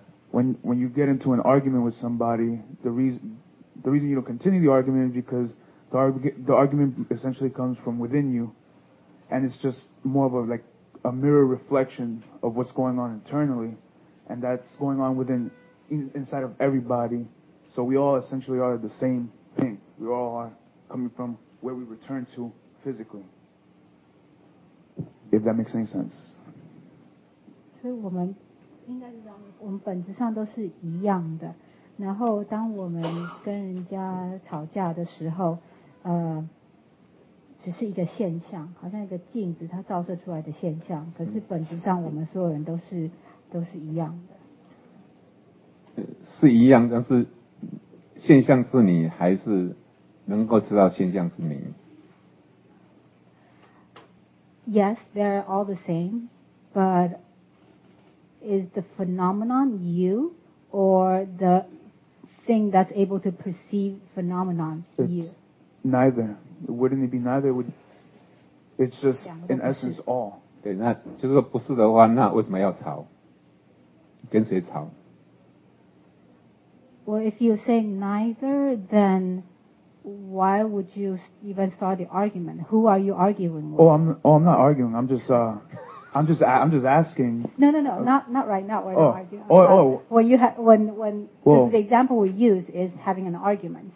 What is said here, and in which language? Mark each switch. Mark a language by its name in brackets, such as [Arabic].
[English] When you get into an argument with somebody, the reason you don't continue the argument is because the argument essentially comes from within you, and it's just more of a, like, a mirror reflection of what's going on internally, and that's going on within, inside of everybody. So we all essentially are the same thing. We all are coming from where we return to physically, if that makes any sense. [Chinese] 所以我们应该是这样，我们本质上都是一样的。然后当我们跟人家吵架的时候，只是一个现象，好像一个镜子它照射出来的现象。可是本质上我们所有人都是一样的。是一样，但是现象是你，还是能够知道现象是你 [English] ？Yes, they're all the same, but. Is the phenomenon you, or the thing that's able to perceive phenomenon you? It's neither. Wouldn't it be neither? It's just in essence all. [Chinese] 对，那就是说不是的话，那为什么要吵？跟谁吵？ [English] Well, if you say neither, then why would you even start the argument? Who are you arguing with? Oh, I'm not arguing. I'm just asking. No, not right now. When the example we use is having an argument.